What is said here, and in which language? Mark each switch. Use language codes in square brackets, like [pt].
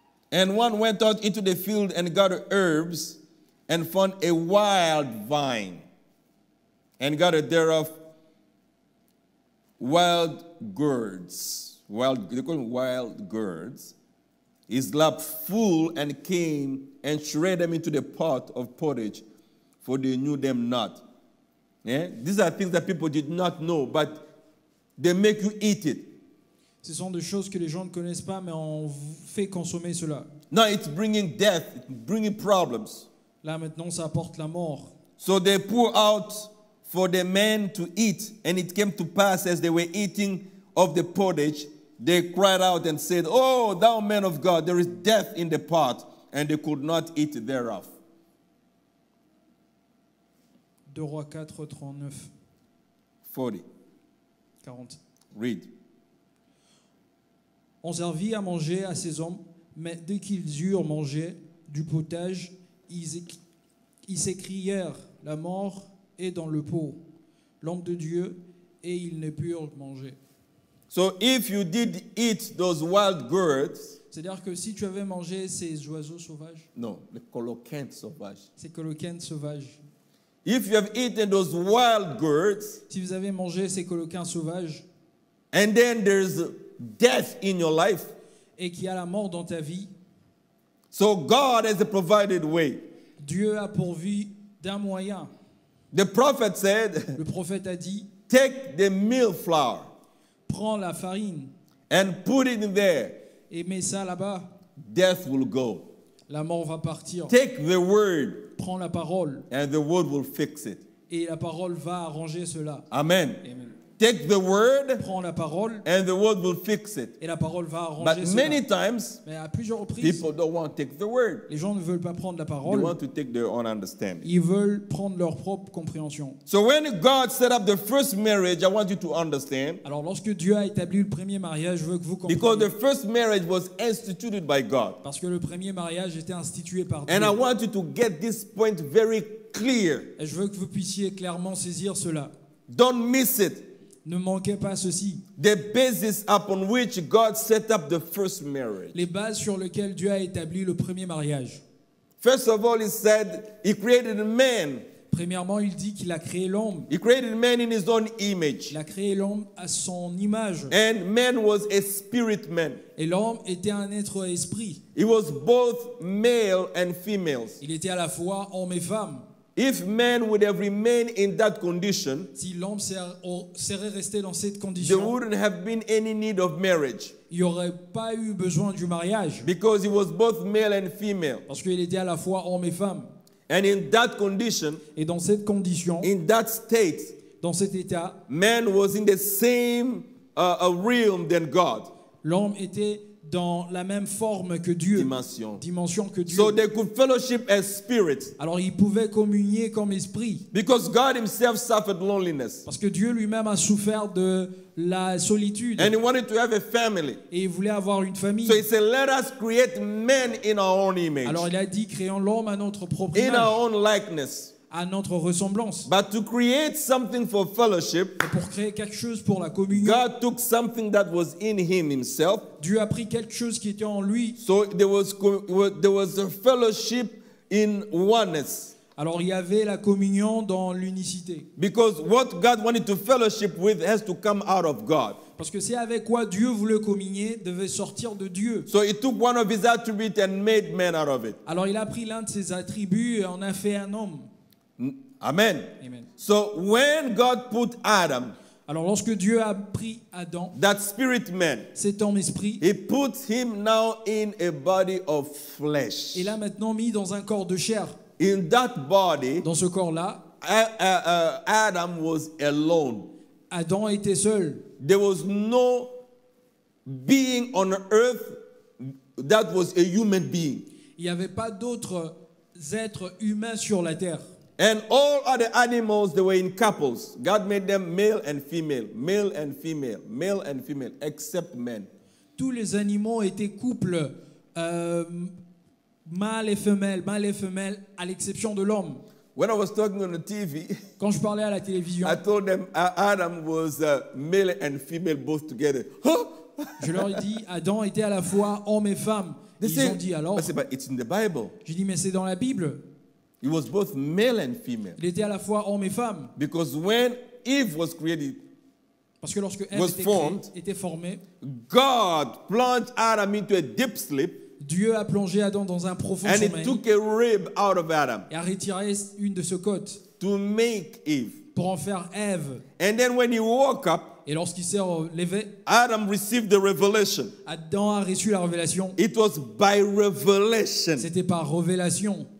[en] And one went out into the field and got herbs and found a wild vine and got thereof wild gourds. They call them wild gourds. His lap full and came and shred them into the pot of pottage, for they knew them not. Yeah? These are things that people did not know, but they make you eat it. [fr] Ce sont des choses que les gens ne connaissent pas, mais on fait consommer cela. [en] Now it's bringing death, it's bringing problems. [fr] Là maintenant, ça apporte la mort. [en] So they pour out for the men to eat, and it came to pass as they were eating of the pottage, they cried out and said, "Oh, thou man of God, there is death in the pot," and they could not eat thereof. [fr] 2 Rois 4:39. 40. [en] Read. [fr] On servit à manger à ces hommes, mais dès qu'ils eurent mangé du potage, ils s'écrièrent, la mort est dans le pot, l'homme de Dieu, et ils ne purent manger. [en] So if you did eat those wild gourds, [fr] c'est-à-dire que si tu avais mangé ces oiseaux sauvages, non, les coloquintes sauvages, ces coloquintes sauvages, [en] if you have eaten those wild gourds, [fr] si vous avez mangé ces coloquintes sauvages, [en] and then there's death in your life, [fr] et qu'il y a la mort dans ta vie. [en] So God has a provided way. [fr] Dieu a pourvu d'un moyen. [en] The prophet said, [fr] le prophète a dit, [en] take the meal flour, [fr] prends la farine, [en] and put it in there, [fr] et mets ça là-bas. [en] Death will go. [fr] La mort va partir. [en] Take the word, [fr] prends la parole, [en] and the word will fix it. [fr] Et la parole va arranger cela. [en] Amen. [fr] Amen. [en] Take the word, [fr] prends la parole, [en] and the word will fix it. [fr] Et la parole va arranger [en] but [fr] cela. [en] Many times, [fr] mais à plusieurs reprises, [en] people don't want to take the word. [fr] Les gens ne veulent pas prendre la parole. [en] They want to take their own understanding. [fr] Ils veulent prendre leur propre compréhension. [en] So when God set up the first marriage, I want you to understand. [fr] Alors lorsque Dieu a établi le premier mariage, je veux que vous compreniez. [en] Because the first marriage was instituted by God. [fr] Parce que le premier mariage était institué par Dieu. [en] And I want you to get this point very clear. [fr] Et je veux que vous puissiez clairement saisir cela. [en] Don't miss it. [fr] Ne manquez pas ceci. [en] The basis upon which God set up the first marriage. [fr] Les bases sur lesquelles Dieu a établi le premier mariage. [en] First of all, he said he created man. [fr] Premièrement, il dit qu'il a créé l'homme. [en] He created man in his own image. [fr] Il a créé l'homme à son image. [en] And man was a spirit man. [fr] Et l'homme était un être esprit. [en] He was both male and females. [fr] Il était à la fois homme et femme. [en] If man would have remained in that condition, [fr] si l'homme serait resté dans cette condition, [en] there wouldn't have been any need of marriage. [fr] Il n'y aurait pas eu besoin du mariage. [en] Because he was both male and female. [fr] Parce qu'il était à la fois homme et femme. [en] And in that condition, [fr] et dans cette condition, [en] in that state, [fr] dans cet état, [en] man was in the same realm than God. [fr] L'homme était dans la même forme que Dieu. [en] Dimension. [fr] Dimension que Dieu. [en] So they could fellowship as spirits. [fr] Alors ils pouvaient communier comme esprit. [en] Because God himself suffered loneliness. [fr] Parce que Dieu lui-même a souffert de la solitude. [en] And he wanted to have a family. [fr] Et il voulait avoir une famille. [en] So he said, let us create men in our own image. [fr] Alors il a dit, créons l'homme à notre propre [en] image. In our own likeness. [fr] À notre ressemblance. [en] But to create something for fellowship, [fr] et pour créer quelque chose pour la communion, [en] God took something that was in him himself. [fr] Dieu a pris quelque chose qui était en lui. [en] So there was a fellowship in oneness. [fr] Alors il y avait la communion dans l'unicité. [en] Because what God wanted to fellowship with has to come out of God. [fr] Parce que c'est avec quoi Dieu voulait communier devait sortir de Dieu. [en] So he took one of his attributes and made man out of it. [fr] Alors il a pris l'un de ses attributs et en a fait un homme. [en] Amen. [fr] Amen. [en] So when God put Adam, [fr] alors lorsque Dieu a pris Adam, [en] that spirit man, [fr] cet homme esprit, [en] he put him now in a body of flesh. [fr] Il l'a maintenant mis dans un corps de chair. [en] In that body, [fr] dans ce corps-là, [en] Adam was alone. [fr] Adam était seul. [en] There was no being on earth that was a human being. [fr] Il n'y avait pas d'autres êtres humains sur la terre. [en] And all other animals, they were in couples. God made them male and female, male and female, male and female, except men. [fr] Tous les animaux étaient couples, mâle et femelle, à l'exception de l'homme. [en] When I was talking on the TV, [fr] quand je parlais à la télévision, [en] I told them Adam was male and female both together. [fr] Je leur ai dit, Adam était à la fois homme et femme. Ils ont dit alors, [en] I said, but it's in the Bible. [fr] J'ai dit, mais c'est dans la Bible. [en] He was both male and female. [fr] Il était à la fois homme et femme. [en] Because when Eve was created, [fr] parce que lorsque Eve était formed, créée, était formée, [en] God plunged Adam into a deep sleep. [fr] Dieu a plongé Adam dans un profond sommeil. [en] And he took a rib out of Adam. [fr] Et a retiré une de ses côtes. [en] To make Eve. [fr] Pour en faire Eve. [en] And then when he woke up, [fr] et lorsqu'il s'est levé, [en] Adam received the revelation. [fr] Adam a reçu la révélation. [en] It was by revelation. [fr] C'était par révélation.